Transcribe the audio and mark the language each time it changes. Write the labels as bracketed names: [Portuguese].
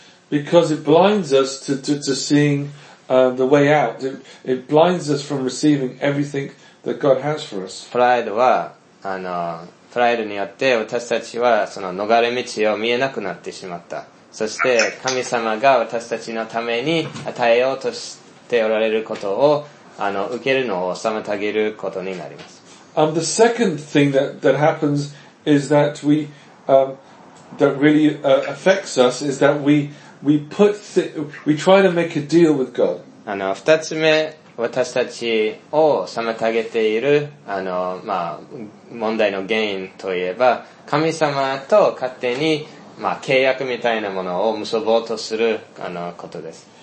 [English] Because it blinds us to seeing,the way out. It blinds us from receiving everything that God has for us. [Japanese] プライドは、あの、プライドによって私たちはその逃れ道を見えなくなってしまった。そして神様が私たちのために与えようとしておられることを、あの、受けるのを妨げることになります。 [English] The second thing that happens is that we, that really, affects us is that we try to make a deal with God. [Japanese] あの、二つ目、私たちを妨げている、あの、まあ、問題の原因といえば、神様と勝手に、まあ、契約みたいなものを結ぼうとする、あの、ことです。